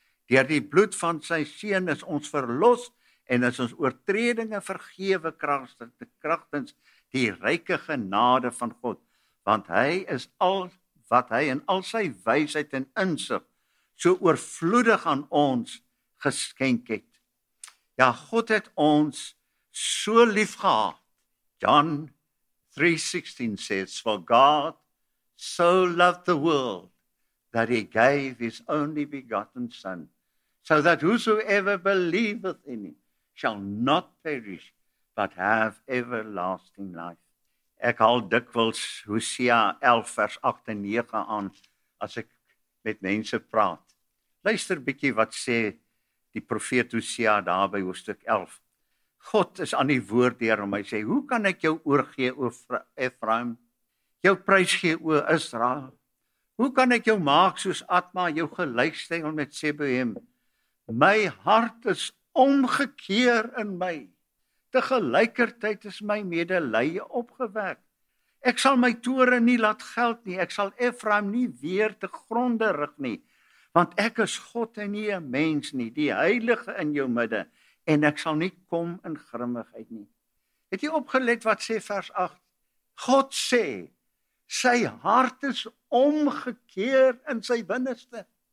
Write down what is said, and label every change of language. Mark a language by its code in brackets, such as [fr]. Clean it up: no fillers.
[af] Deur die bloed van sy seun is ons verlos, en is ons oortredinge vergewe kragtens die ryke genade van God, want hy is al wat hy in al sy wysheid en insig so oorvloedig aan ons geskenk het. Ja, God het ons so lief gehad. [en] John 3:16 says, for God so loved the world that he gave his only begotten son, so that whosoever believeth in him shall not perish, but have everlasting life. [af] Ek haal dikwels Hosea 11 vers 8 en 9 aan, as ek met mense praat. Luister bietjie wat sê die profeet Hosea daar by hoofstuk 11. God is aan die woord deur hom, hy sê, hoe kan ek jou oorgee, o Efraim? Jou prys gee, o Israel? Hoe kan ek jou maak soos Adma, jou gelykstel met Seboem? My hart is omgekeer in my. Tegelijkertijd is my medelee opgewek. Ek sal my toren nie laat geld nie, ek sal Efraim nie weer te gronde rig nie, want ek is God en nie 'n mens nie, die Heilige in jou midde, en ek sal nie kom in grimmigheid nie. Het jy opgelet wat sê vers 8? God sê, sy hart is omgekeer in sy binneste.